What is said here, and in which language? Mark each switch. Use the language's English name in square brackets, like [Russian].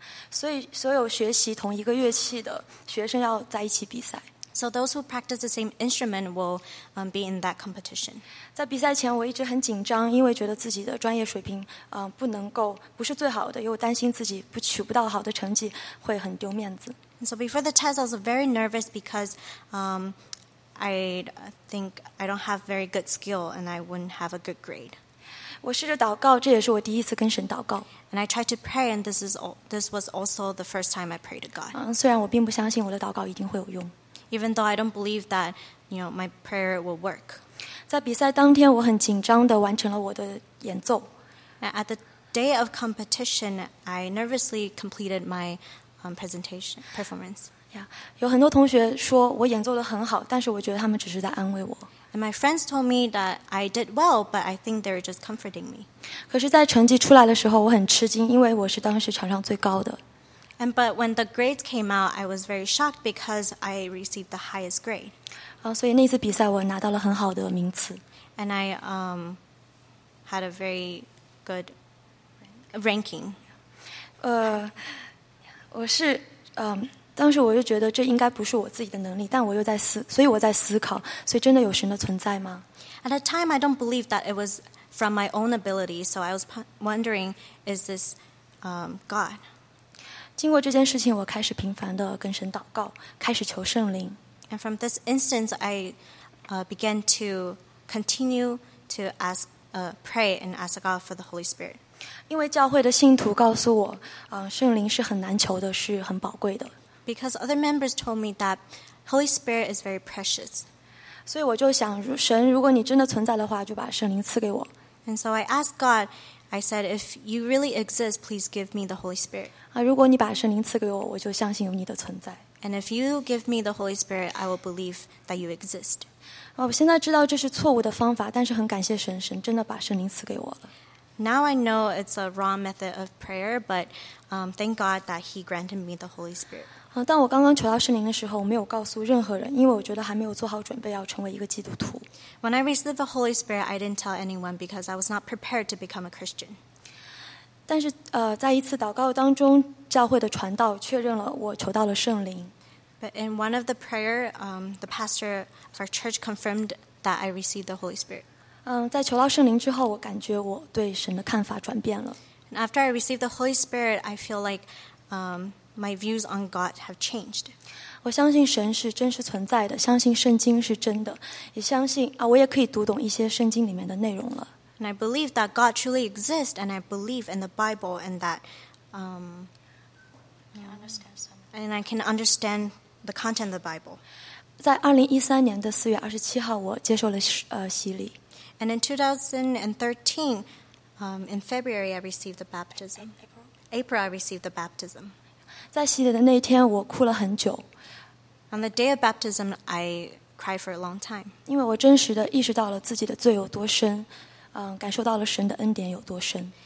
[Chinese] 所以所有学习同一个乐器的学生要在一起比赛。 [English] So those who practice the same instrument will be in that competition. [Chinese] 在比赛前我一直很紧张，因为觉得自己的专业水平不能够不是最好的，又担心自己不取不到好的成绩会很丢面子。 [English] And so before the test I was very nervous because I think I don't have very good skill and I wouldn't have a good grade. [Chinese] 我试着祷告，这也是我第一次跟神祷告。 [English] And I tried to pray and this was also the first time I prayed to God. [Chinese] 虽然我并不相信我的祷告一定会有用。 [English] Even though I don't believe that, you know, my prayer will work. [Chinese] 在比赛当天，我很紧张地完成了我的演奏。 [English] At the day of competition, I nervously completed my performance. [Chinese] Yeah, 有很多同学说我演奏得很好，但是我觉得他们只是在安慰我。 [English] And my friends told me that I did well, but I think they're just comforting me. [Chinese] 可是，在成绩出来的时候，我很吃惊，因为我是当时场上最高的。 [English] And but when the grades came out, I was very shocked because I received the highest grade. [Chinese] 所以那次比赛我拿到了很好的名次。 [English] And I had a very good ranking. [Chinese] 我是当时我就觉得这应该不是我自己的能力，但我又在思，所以我在思考，所以真的有神的存在吗 [English] ？At the time, I don't believe that it was from my own ability. So I was wondering, is this God? [Chinese] 经过这件事情，我开始频繁地跟神祷告，开始求圣灵。 [English] And from this instance, I began to continue to ask, pray and ask God for the Holy Spirit. [Chinese] 因为教会的信徒告诉我，圣灵是很难求的，是很宝贵的。 [English] Because other members told me that Holy Spirit is very precious. [Chinese] 所以我就想，神，如果你真的存在的话，就把圣灵赐给我。 [English] And so I asked God. I said, if you really exist, please give me the Holy Spirit. [Chinese] 如果你把圣灵赐给我，我就相信有你的存在。 [English] And if you give me the Holy Spirit, I will believe that you exist. [Chinese] 我现在知道这是错误的方法，但是很感谢神，神真的把圣灵赐给我了。 [English] Now I know it's a wrong method of prayer, but thank God that He granted me the Holy Spirit. [Chinese] 当我刚刚求到圣灵的时候，我没有告诉任何人，因为我觉得还没有做好准备要成为一个基督徒。 [English] When I received the Holy Spirit, I didn't tell anyone because I was not prepared to become a Christian. [Chinese] 但是在一次祷告当中，教会的传道确认了我求到了圣灵。 [English] But in one of the prayer, the pastor of our church confirmed that I received the Holy Spirit. [Chinese] 在求到圣灵之后，我感觉我对神的看法转变了。 [English] And after I received the Holy Spirit, I feel like my views on God have changed. [Chinese] 我相信神是真实存在的，相信圣经是真的，也相信我也可以读懂一些圣经里面的内容了。 [English] And I believe that God truly exists, and I believe in the Bible, and that and I can understand the content of the Bible. [Chinese] 在2013年的4月27号，我接受了洗礼。 [English] And in 2013, in February, I received the baptism. April, I received the baptism. [Chinese] 在洗礼的那一天，我哭了很久。 [English] On the day of baptism, I cried for a long time. [Chinese] 因为我真实的意识到了自己的罪有多深，感受到了神的恩典有多深。